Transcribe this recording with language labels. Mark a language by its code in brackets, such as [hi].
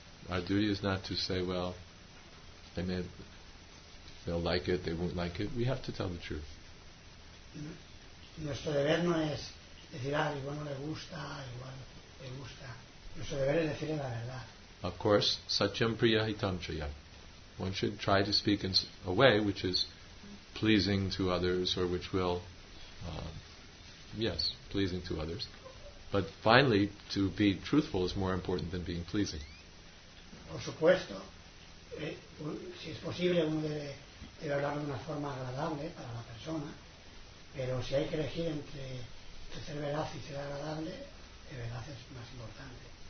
[en] Our duty is not to say, well, They may, they'll like it, they won't like it. We have to tell the truth. [es] Nuestro deber no es decir, ah, igual no le gusta, igual le gusta. Nuestro deber es decirle la verdad. [en] Of course, [sa] satyam priya hitam chaya. [en] One should try to speak in a way which is pleasing to others, or which will, yes, pleasing to others. But finally, to be truthful is more important than being pleasing. [es] Por supuesto, si es posible, uno debe hablar de una forma agradable para la persona. Pero si hay que elegir entre ser veraz y ser agradable, el veraz es más importante.